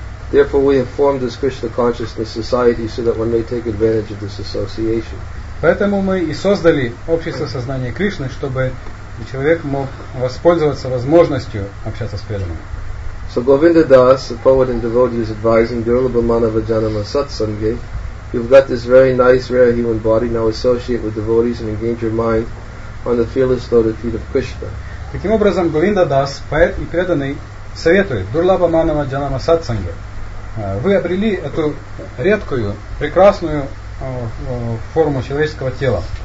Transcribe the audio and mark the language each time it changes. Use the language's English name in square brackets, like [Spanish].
[English] Therefore, we have formed this Krishna consciousness society so that one may take advantage of this association. [Russian] Поэтому мы и создали общество сознания Кришны, чтобы человек мог воспользоваться возможностью общаться с преданными. [English] So Govinda Das, the poet and devotee, is advising [Bangla] Durlabha Manava Janama Satsange. [English] You've got this very nice, rare human body. Now associate with devotees and engage your mind on the fearless lotus feet of Krishna. [Russian] Таким образом, Говинда Дас, поэт и преданный, советует [Bangla] Дурлабха Манава Джанама Сатсанге. [Russian] Вы обрели эту редкую, прекрасную форму человеческого тела.